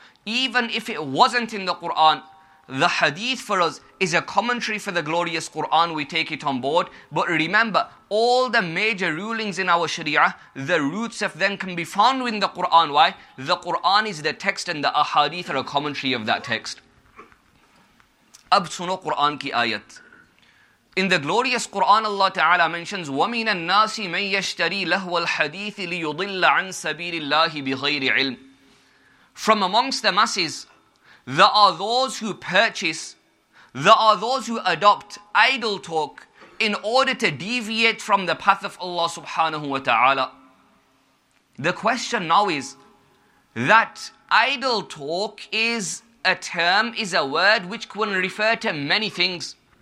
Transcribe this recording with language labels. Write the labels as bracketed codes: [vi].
[en] Even if it wasn't in the Quran, the hadith for us is a commentary for the glorious Quran, we take it on board. But remember, all the major rulings in our Sharia, the roots of them can be found in the Quran. Why? The Quran is the text and the ahadith are a commentary of that text. [ur] Ab suno Quran ki ayat. [en] In the glorious Quran, Allah Ta'ala mentions, [ar] وَمِنَ النَّاسِ مَنْ يَشْتَرِي لَهْوَ الْحَدِيثِ لِيُضِلَّ عَنْ سَبِيلِ اللَّهِ بِغَيْرِ عِلْمِ. [en] From amongst the masses, there are those who purchase, there are those who adopt idle talk in order to deviate from the path of Allah subhanahu wa ta'ala. The question now is that idle talk is a term, is a word which can refer to many things.